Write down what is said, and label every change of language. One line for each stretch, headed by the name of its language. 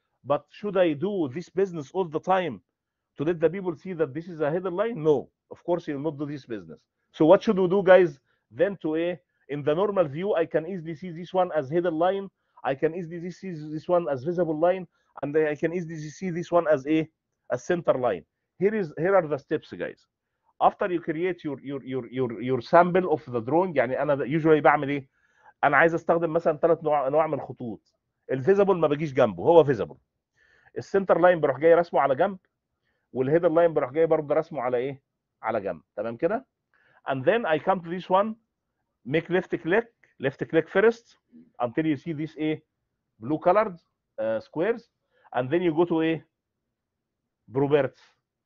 English: But should I do this business all the time to let the people see that this is a hidden line? No, of course you'll not do this business. So what should we do, guys, then to A, In the normal view, I can easily see this one as hidden line. I can easily see this one as visible line. And I can easily see this one as a center line. Here are the steps, guys. After you create your sample of the drawing,
Arabic: يعني أنا
English: usually
Arabic: بعمل إيه؟ أنا عايز أستخدم مثلا ثلاث أنواع من الخطوط. الفيزبل ما بجيش جنبه، هو فيزبل. السنتر لاين بروح جاي رسمه على جنب، والهيدر لاين بروح جاي برضه رسمه على إيه؟ على جنب، تمام كده؟
English: And then I come to this one, make left click first until you see this blue colored squares, and then you go to properties.